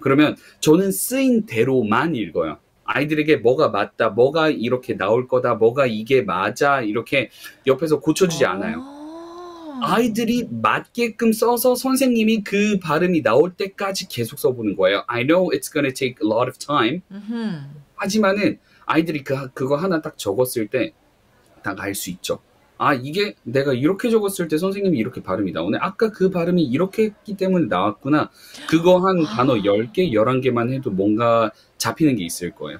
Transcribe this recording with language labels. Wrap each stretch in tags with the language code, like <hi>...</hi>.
<ko>그러면 저는 쓰인 대로만 읽어요. 아이들에게 뭐가 맞다, 뭐가 이렇게 나올 거다, 뭐가 이게 맞아 이렇게 옆에서 고쳐주지 않아요. 아이들이 맞게끔 써서 선생님이 그 발음이 나올 때까지 계속 써보는 거예요.</ko> <en>I know it's gonna take a lot of time.</en> <ko>하지만은 아이들이 그거 하나 딱 적었을 때딱알수 있죠. 아, 이게 내가 이렇게 적었을 때 선생님이 이렇게 발음이 나오네. 아까 그 발음이 이렇게 했기 때문에 나왔구나. 그거 한 단어 10개, 11개만 해도 뭔가 잡히는 게 있을 거예요.</ko>